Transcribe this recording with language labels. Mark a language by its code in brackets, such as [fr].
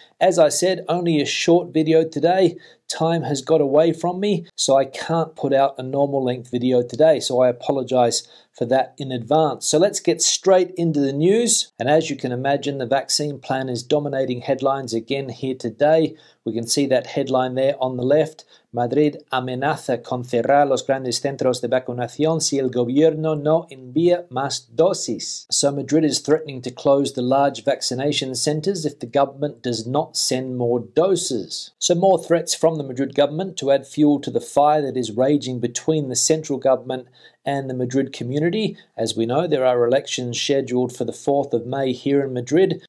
[en] As I said, only a short video today. Time has got away from me, so I can't put out a normal length video today. So I apologize for that in advance. So let's get straight into the news. And as you can imagine, the vaccine plan is dominating headlines again here today. We can see that headline there on the left. [es] Madrid amenaza con cerrar los grandes centros de vacunación si el gobierno no envía más dosis. [en] So Madrid is threatening to close the large vaccination centers if the government does not send more doses. So more threats from the Madrid government to add fuel to the fire that is raging between the central government and the Madrid community. As we know, there are elections scheduled for the 4th of May here in Madrid.